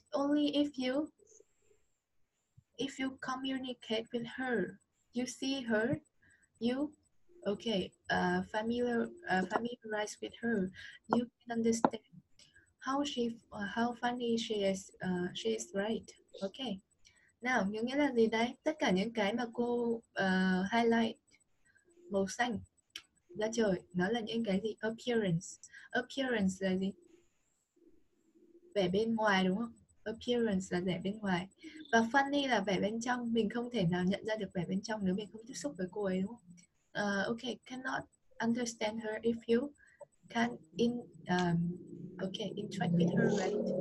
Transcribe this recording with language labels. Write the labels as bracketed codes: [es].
[en] Only if you communicate with her, you see her, you, okay, familiarize with her, you can understand how she, how funny she is, right? Okay, now, [vi] nghĩa là gì đây? Tất cả những cái mà cô highlight màu xanh, là trời, nó là những cái gì? Appearance, appearance là gì? Vẻ bên ngoài đúng không? Appearance là vẻ bên ngoài. Và funny là vẻ bên trong. Mình không thể nào nhận ra được vẻ bên trong nếu mình không tiếp xúc với cô ấy đúng không? [en] Okay, cannot understand her if you can't in, okay, interact with her, right?